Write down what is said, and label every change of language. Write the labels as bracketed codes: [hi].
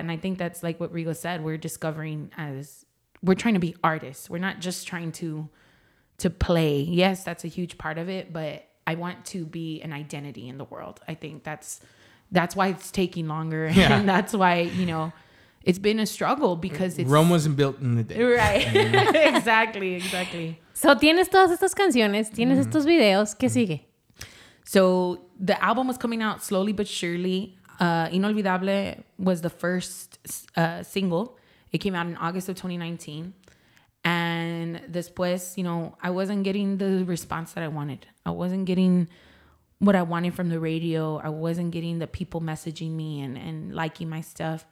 [en] And I think that's like what Rigo said, we're trying to be artists. We're not just trying to play. Yes, that's a huge part of it, but I want to be an identity in the world. I think that's why it's taking longer. Yeah. And that's why, you know, it's been a struggle because Rome wasn't built in the day. Right. exactly. [es] So tienes todas estas canciones, tienes estos videos. ¿Qué sigue? [en] So the album was coming out slowly but surely. Inolvidable was the first single. It came out in August of 2019. And después, you know, I wasn't getting the response that I wanted. I wasn't getting what I wanted from the radio. I wasn't getting the people messaging me and liking my stuff.